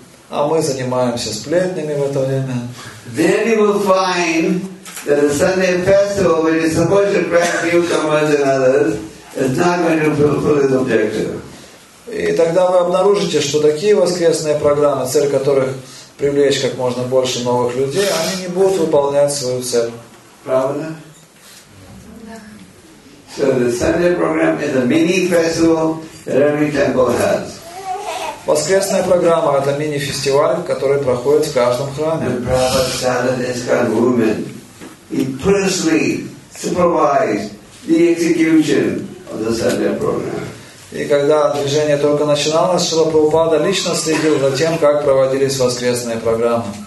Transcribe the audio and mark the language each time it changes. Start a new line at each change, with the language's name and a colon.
Russian: А мы занимаемся сплетнями в это время.
English: Then you will find that the Sunday festival, which is supposed to attract newcomers and others, is not going to fulfill its objective.
Russian: И тогда вы обнаружите, что такие воскресные программы, цель которых привлечь как можно больше новых людей, они не будут выполнять свою цель. Правда?
English: So the Sunday program is a mini festival that every temple has.
Russian: Воскресная программа — это мини-фестиваль, который проходит в каждом храме.
English: And Prabhupada started this kind of movement. He personally supervised the execution of the Sunday program.
Russian: И когда движение только начиналось, Шрила Прабхупада лично следил за тем, как проводились воскресные программы.